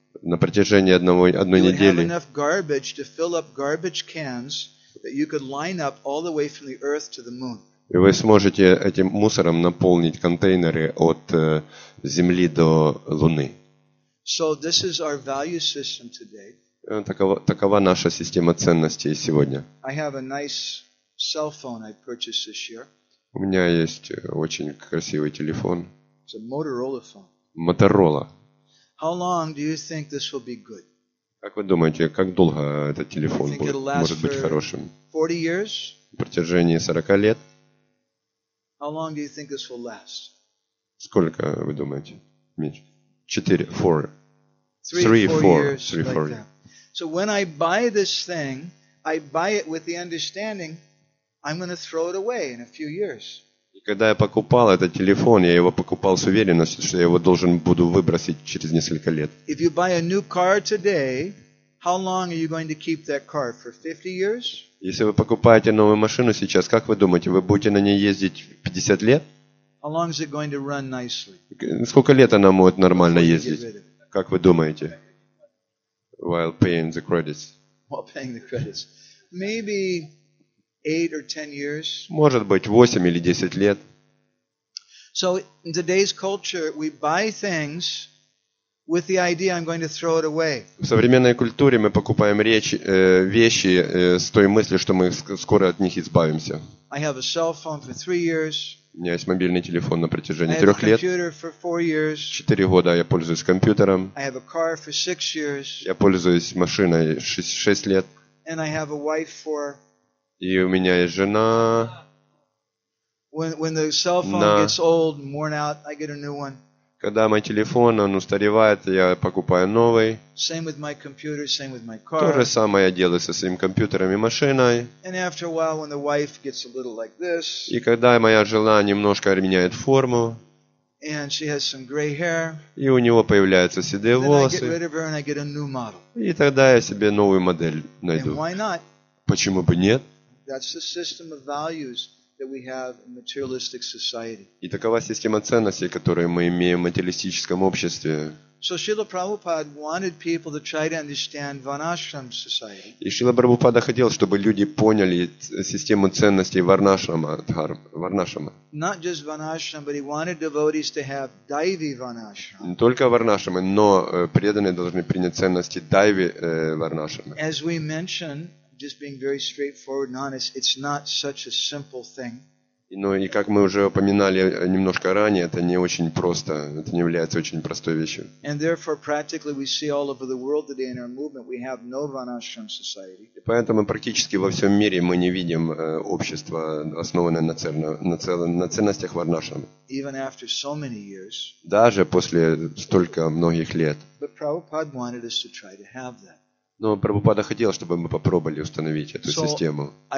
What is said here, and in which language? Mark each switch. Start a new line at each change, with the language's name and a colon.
Russian: на протяжении одной недели,
English: have enough garbage to fill up garbage cans that you could line up all the way from the Earth to the Moon.
Russian: И вы сможете этим мусором наполнить контейнеры от Земли до Луны.
English: So this is our value system today.
Russian: Такова наша система ценностей сегодня.
English: I have a nice cell phone I purchased this year.
Russian: У меня есть очень красивый телефон.
English: It's a Motorola phone.
Russian: Motorola.
English: How long do you think this will be good?
Russian: Как вы думаете, как долго этот телефон может быть хорошим?
English: 40 years?
Russian: В протяжении 40 лет?
English: How long do you think this will last?
Russian: Сколько вы думаете? Меньше. 4, 4.
English: 3-4 years. So when I buy this thing, I buy it with the understanding I'm going to throw it away in a few years.
Russian: Когда я покупал этот телефон, я его покупал с уверенностью, что я его должен буду выбросить через несколько лет.
English: If you buy a new car today, how long are you going to keep that car? For 50 years?
Russian: Если вы покупаете новую машину сейчас, как вы думаете, вы будете на ней ездить 50 лет?
English: How long is it going to run nicely?
Russian: Сколько лет она может нормально ездить? Как вы думаете?
English: While paying the credits. While paying the credits. Maybe 8 or 10 years.
Russian: Может быть, 8 или 10 лет.
English: So in today's culture, we buy things with the idea I'm going to throw it away.
Russian: В современной культуре мы покупаем вещи с той мыслью, что мы скоро от них избавимся.
English: I have a cell phone for 3 years.
Russian: У меня есть мобильный телефон на протяжении 3 лет.
English: I have a computer for 4 years.
Russian: 4 года я пользуюсь компьютером.
English: I have a car for 6 years.
Russian: Я пользуюсь машиной 6 лет.
English: And I have a wife for.
Russian: И у меня есть жена.
English: When the cell phone gets old and worn out, I get a new one.
Russian: Когда мой телефон устаревает, я покупаю новый.
English: Same with my computer, same with my car.
Russian: То же самое я делаю со своим компьютером и машиной.
English: And after a while, when the wife gets a little like this.
Russian: И когда моя жена немножко меняет форму.
English: And she has some gray hair.
Russian: И у него появляются седые волосы.
English: And then I get rid of her and I get a new model.
Russian: И тогда я себе новую модель найду.
English: And why not?
Russian: Почему бы нет?
English: That's the system of values that we have in materialistic society.
Russian: И такова система ценностей, которую мы имеем в материалистическом обществе.
English: So Srila Prabhupada wanted people to try to understand Varnashram society.
Russian: И Шрила Прабхупада хотел, чтобы люди поняли систему ценностей Варнашрама.
English: Not just Varnashram, but he wanted devotees to have Daivi Varnashram.
Russian: Не только Варнашрамы, но преданные должны принять ценности Дайви Варнашрамы.
English: As we mentioned, just being very straightforward and honest, it's not such a simple thing.
Russian: Ну и как мы уже упоминали немножко ранее, это не очень просто, это не является очень простой вещью.
English: And therefore, practically, we see all over the world today in our movement, we have no Varnashram society.
Russian: И поэтому практически во всем мире мы не видим общества, основанное на ценностях Варнашрама.
English: Even after so many years.
Russian: Даже после столько многих лет.
English: But Prabhupada wanted us to try to have that.
Russian: Но Прабхупада хотел, чтобы мы попробовали установить эту систему.